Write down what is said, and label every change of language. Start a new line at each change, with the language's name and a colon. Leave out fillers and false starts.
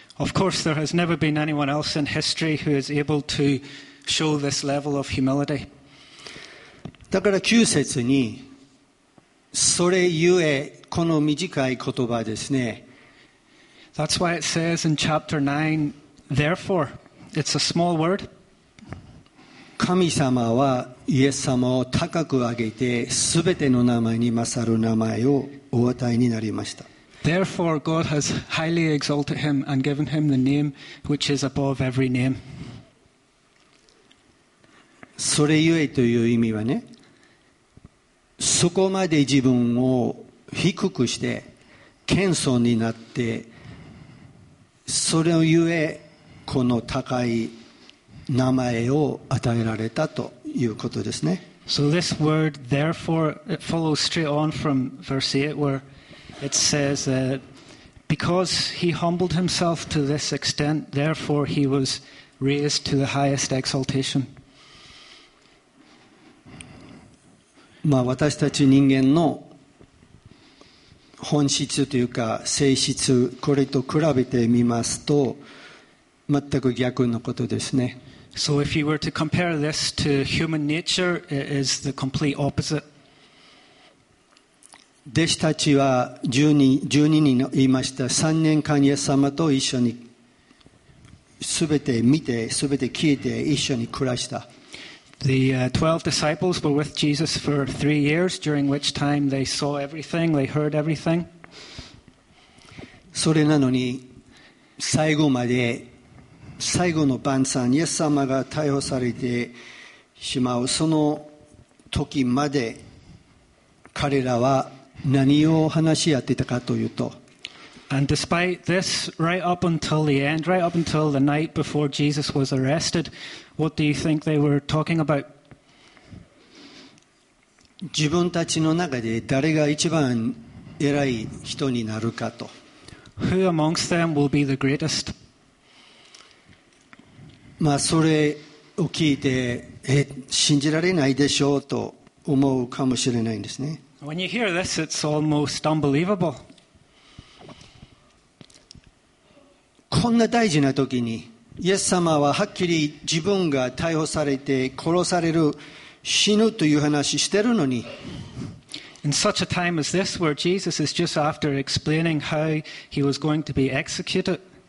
English: Of course, there has never been anyone else in history who is able to show this level of humility.
Japanese: だから9節に、それゆえこの短い言葉ですね。
English: That's why it says in chapter 9, therefore, it's a small word.
Japanese: 神様はイエス様を高く上げて、すべての名前に勝る名前をお与えになりました。
English: Therefore, God has highly exalted him and given him the name which is above every name.
Japanese: それゆえという意味はね、そこまで自分を低くして謙遜になって、それゆえこの高い名前を与えられたということですね。
English: So this word, therefore, it follows straight on from verse 8 where it says that because he humbled himself to this extent, therefore he was raised to the highest exaltation.
Japanese: まあ私たち人間の本質というか性質、これと比べてみますと全く逆のことですね。
English: So if you were to compare this to human nature, it is the complete opposite.
Japanese: 弟子たちは12人の言いました。3年間イエス様と一緒に全て見て、全て聞いて一緒に暮らした。
English: The 12 disciples were with Jesus for 3 years, during which time they saw everything, they heard everything.
Japanese: それなのに最後まで最後の晩餐、イエス様が逮捕されてしまうその時まで彼らは何を話し合っていたかというと、
English: And despite this, right up until the end, right up until the night before Jesus was arrested, what do you think they were talking about?
Japanese: 自分たちの中で誰が一番偉い人になるかと、
English: Who amongst them will be the greatest?
Japanese: まあ、それを聞いて、信じられないでしょうと思うかもしれないんですね。
English: When you hear this, it's almost unbelievable.
Japanese: こんな大事な時に、イエス様ははっきり自分が逮捕されて殺される、死ぬという話してるのに。
English: In such a time as this, where Jesus is just after explaining how he was going to be executed,